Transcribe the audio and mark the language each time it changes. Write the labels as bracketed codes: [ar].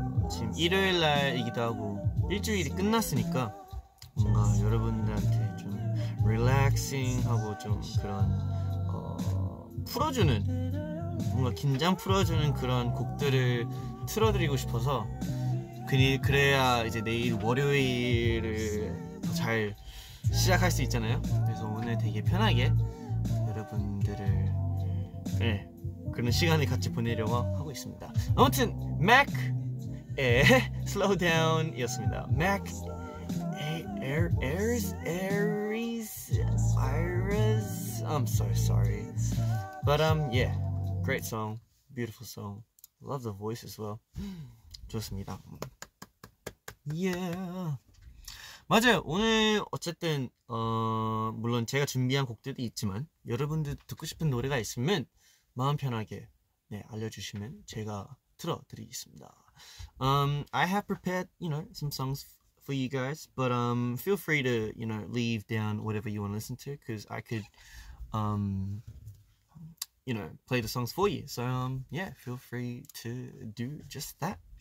[ko] 지금 일요일 날이기도 하고 일주일이 끝났으니까 뭔가 여러분들한테 좀 릴렉싱하고 좀 그런 풀어주는 뭔가 긴장 풀어주는 그런 곡들을 틀어드리고 싶어서 그래야 이제 내일 월요일을 잘 시작할 수 있잖아요. 그래서 오늘 되게 편하게 여러분들을 네, 그런 시간을 같이 보내려고 하고 있습니다. 아무튼 Mac의 Slow Down 이었습니다. [en] Mac Ares Ares Iris I'm sorry But yeah Great song, beautiful song. Love the voice as well. [ko] 좋습니다. [en] Yeah. [ko] 맞아요. 오늘 어쨌든 물론 제가 준비한 곡들도 있지만 여러분들 듣고 싶은 노래가 있으면 마음 편하게 네 알려주시면 제가 틀어드리겠습니다. [en] I have prepared, you know, some songs for you guys, but feel free to, you know, leave down whatever you want to listen to, because I could, you know, play the songs for you. So, yeah, feel free to do just that.